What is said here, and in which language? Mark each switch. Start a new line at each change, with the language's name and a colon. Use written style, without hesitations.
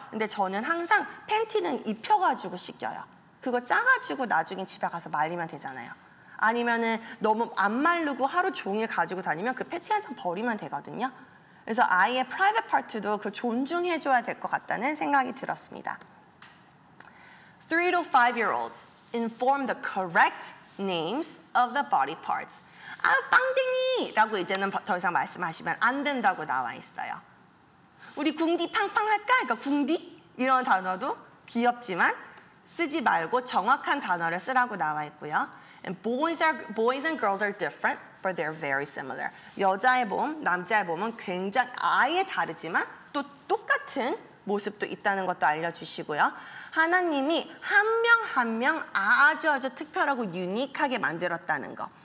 Korean: 근데 저는 항상 팬티는 입혀가지고 씻겨요. 그거 짜가지고 나중에 집에 가서 말리면 되잖아요. 아니면은 너무 안 마르고 하루 종일 가지고 다니면 그 패티 한 장 버리면 되거든요. 그래서 아이의 프라이빗 파트도 그 존중해 줘야 될 것 같다는 생각이 들었습니다.
English: 3 to 5 year olds inform the correct names of the body parts.
Korean: 아, 빵댕이라고 이제는 더 이상 말씀하시면 안 된다고 나와 있어요. 우리 궁디 팡팡할까? 그러니까 궁디 이런 단어도 귀엽지만 쓰지 말고 정확한 단어를 쓰라고 나와 있고요.
English: And boys and girls are different, but they're very similar.
Korean: 여자의 몸, 남자의 몸은 굉장히 아예 다르지만 또 똑같은 모습도 있다는 것도 알려주시고요. 하나님이 한 명 한 명 아주 아주 특별하고 유니크하게 만들었다는 거.